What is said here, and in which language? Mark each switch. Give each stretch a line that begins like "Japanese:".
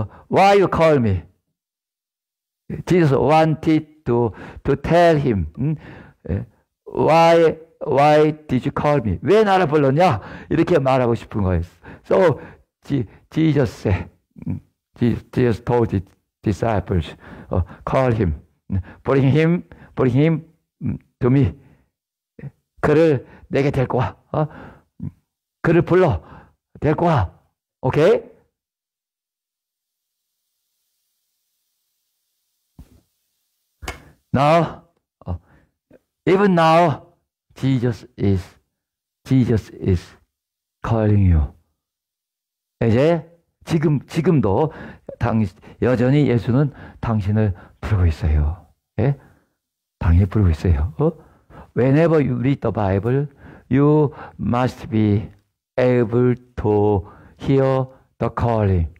English: Why you call me? Jesus wanted to tell him. Why did you call me?
Korean: 왜 나를 불렀냐? 이렇게 말하고 싶은 거예요.
English: So Jesus said, Jesus told the disciples, call him, bring him to me.
Korean: 그를 내게 데리고 와. 그를 불러 데리고 와. 오케이? 나 even now Jesus is calling you. 이제 지금도 여전히 예수는 당신을 부르고 있어요. 예? 당신을 부르고 있어요. 어?
English: Whenever you read the Bible, you must be able to hear the calling.